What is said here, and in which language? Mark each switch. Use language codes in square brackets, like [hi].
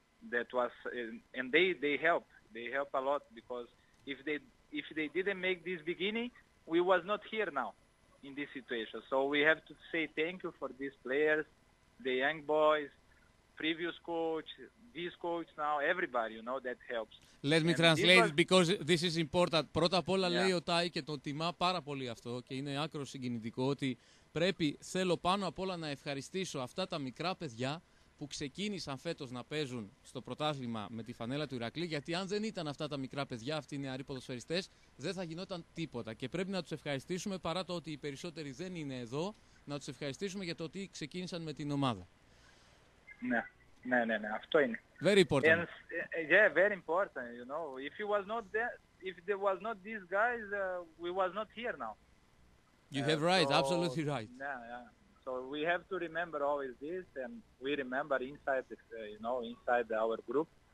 [en] That was, and they help a lot, because if they didn't make this beginning, we was not here now in this situation. So we have to say thank you for these players, the young boys, previous coach, this coach now, everybody, you know, that helps. Let me translate, because this is important. [el] Πρώτα απ' όλα, λέει ο Τάι και τον τιμά πάρα πολύ αυτό και είναι άκρο συγκινητικό, ότι πρέπει, θέλω πάνω απ' όλα να ευχαριστήσω αυτά τα μικρά παιδιά που ξεκίνησαν φέτος να παίζουν στο πρωτάθλημα με τη φανέλα του Ηρακλή, γιατί αν δεν ήταν αυτά τα μικρά παιδιά, αυτοί οι νεαροί ποδοσφαιριστές, δεν θα γινόταν τίποτα. Και πρέπει να τους ευχαριστήσουμε, παρά το ότι οι περισσότεροι δεν είναι εδώ, να τους ευχαριστήσουμε για το ότι ξεκίνησαν με την ομάδα. Ναι, αυτό είναι. [en] Very important. And, yeah, very important, you know. If it was not there, if there was not these guys, we was not here now. You have right, so, absolutely right. Yeah, yeah. So we have to remember always this, and we remember inside, you know, inside our group.